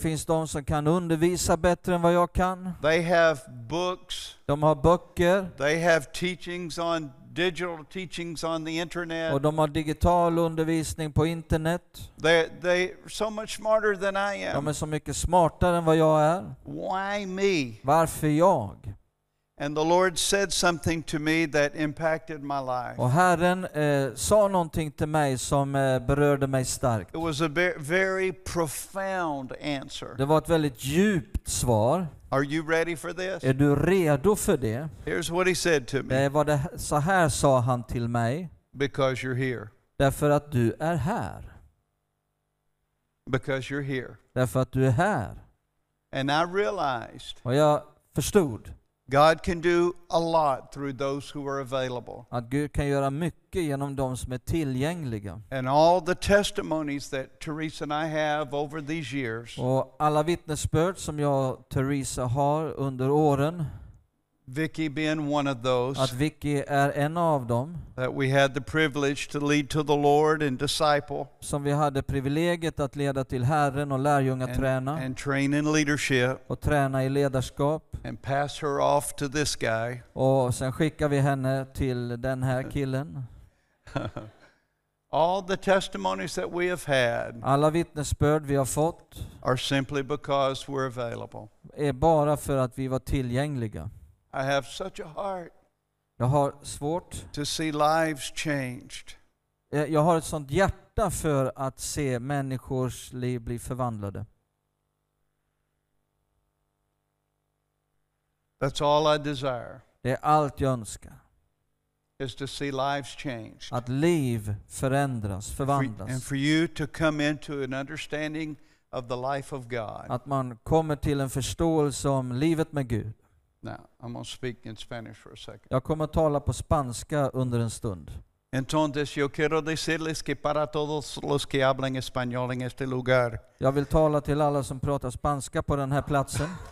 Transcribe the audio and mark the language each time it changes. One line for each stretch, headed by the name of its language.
Swedish: Det finns de som kan undervisa bättre än vad jag kan.
English: They have books.
Swedish: De har böcker.
English: They have teachings on digital teachings on the internet.
Swedish: Och de har digital undervisning på internet.
English: They are so much smarter than I am.
Swedish: De är så mycket smartare än vad jag är.
English: Why me?
Swedish: Varför jag?
English: And the Lord said something to me that impacted my life.
Swedish: Och Herren sa någonting till mig som berörde mig starkt.
English: It was a very profound answer.
Swedish: Det var ett väldigt djupt svar.
English: Are you ready for this?
Swedish: Är du redo för det?
English: Here's what he said to me.
Swedish: Det var det, så här sa han till mig.
English: Because you're here.
Swedish: Därför att du är här.
English: Because you're here.
Swedish: Därför att du är här.
English: And I realized.
Swedish: Och jag förstod.
English: God can do a lot through those who are available.
Swedish: Att Gud kan göra mycket genom de som är tillgängliga.
English: And all the testimonies that Teresa and I have over these years.
Swedish: Och alla vittnesbörd som jag och Teresa har under åren.
English: Vicky being one of those.
Swedish: Att Vicky är en av dem.
English: That we had the privilege to lead to the Lord and disciple.
Swedish: Som vi hade privilegiet att leda till Herren och lärjungaträna.
English: And train in leadership.
Swedish: Och träna i ledarskap.
English: And pass her off to this guy.
Swedish: Och sen skickar vi henne till den här killen.
English: All the testimonies that we have had.
Swedish: Alla vittnesbörd vi har fått.
English: Are simply because we're available.
Swedish: Är bara för att vi var tillgängliga.
English: I have such a heart.
Swedish: Jag har svårt
English: to see lives changed.
Swedish: Jag har ett sånt hjärta för att se människors liv bli förvandlade.
English: That's all I desire.
Swedish: Det är allt jag önskar.
English: Is to see lives changed.
Swedish: Att liv förändras, förvandlas.
English: And for you to come into an understanding of the life of God.
Swedish: Att man kommer till en förståelse om livet med Gud.
English: Now, I'm going to speak in Spanish for a second.
Swedish: Jag kommer att tala på spanska under en stund.
Spanish: Entonces, yo quiero decirles que para todos los que hablan español en este lugar.
Swedish: Jag vill tala till alla som pratar spanska på den här platsen.